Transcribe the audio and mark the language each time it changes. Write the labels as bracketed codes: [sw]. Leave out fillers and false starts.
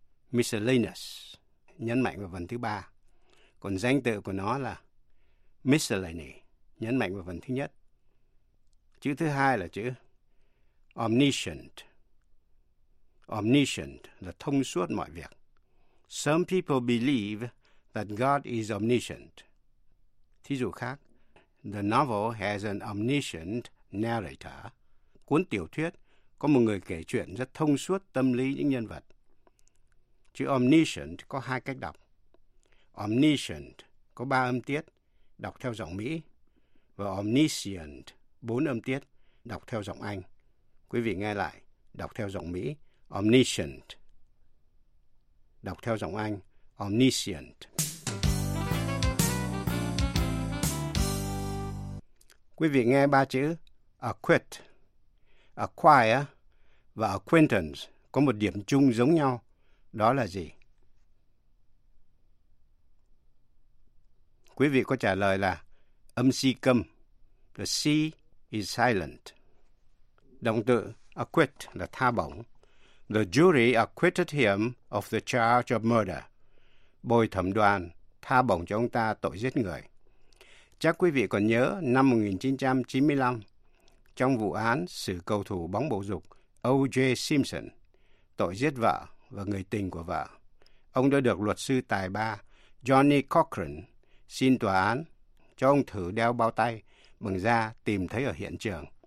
[vi] Miscellaneous, nhấn mạnh vào vần thứ ba. Còn danh từ của nó là miscellany, nhấn mạnh vào vần thứ nhất. Chữ thứ hai là chữ omniscient. Omniscient là thông suốt mọi việc. [en] Some people believe that God is omniscient. [vi] Thí dụ khác, [en] the novel has an omniscient narrator. [vi] Cuốn tiểu thuyết có một người kể chuyện rất thông suốt tâm lý những nhân vật. Chữ omniscient có hai cách đọc. Omniscient có ba âm tiết, đọc theo giọng Mỹ. Và omniscient, bốn âm tiết, đọc theo giọng Anh. Quý vị nghe lại, đọc theo giọng Mỹ. Omniscient. Đọc theo giọng Anh. Omniscient. Quý vị nghe ba chữ acquit, acquire và acquaintance có một điểm chung giống nhau. Đó là gì? Quý vị có trả lời là âm si câm. [en] The si is silent. [vi] Động từ acquit là tha bổng. [en] The jury acquitted him of the charge of murder. [vi] Bồi thẩm đoàn tha bổng cho ông ta tội giết người. Chắc quý vị còn nhớ năm 1995, trong vụ án xử cầu thủ bóng bầu dục O.J. Simpson, tội giết vợ và người tình của vợ, ông đã được luật sư tài ba Johnny Cochran xin tòa án cho ông thử đeo bao tay bằng da tìm thấy ở hiện trường.